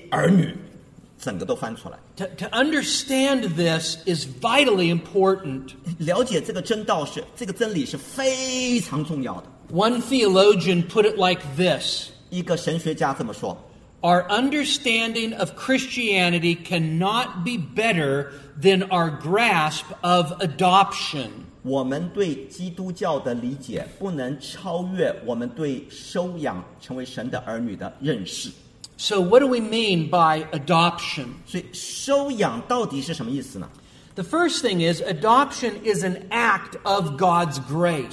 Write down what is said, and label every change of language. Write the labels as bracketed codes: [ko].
[zh] 就是收养成为儿女，整个都翻出来。 [en] To understand this is vitally important. [zh] 了解这个真道是这个真理是非常重要的。 [en] One theologian put it like this. [zh] 一个神学家这么说, [en] our understanding of Christianity cannot be better than our grasp of adoption. [zh] 我们对基督教的理解不能超越我们对收养成为神的儿女的认识。 [en] So what do we mean by adoption? [zh] 所以收养到底是什么意思呢? [en] The first thing is adoption is an act of God's grace.